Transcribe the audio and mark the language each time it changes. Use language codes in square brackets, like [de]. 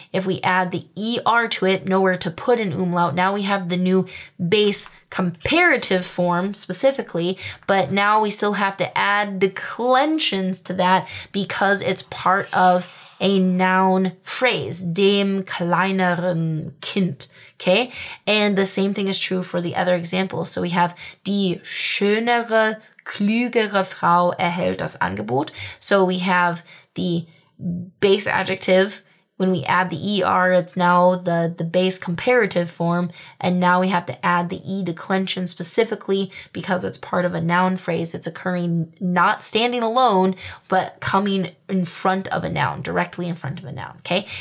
[en] If we add the ER to it, nowhere to put an umlaut, now we have the new base comparative form specifically, but now we still have to add declensions to that because it's part of a noun phrase, [de] dem kleineren Kind, [en] okay? And the same thing is true for the other examples. So we have [de] die schönere, klügere Frau erhält das Angebot. [en] So we have the base adjective, when we add the ER, it's now the base comparative form, and now we have to add the E declension specifically because it's part of a noun phrase. It's occurring not standing alone, but coming in front of a noun, directly in front of a noun, okay?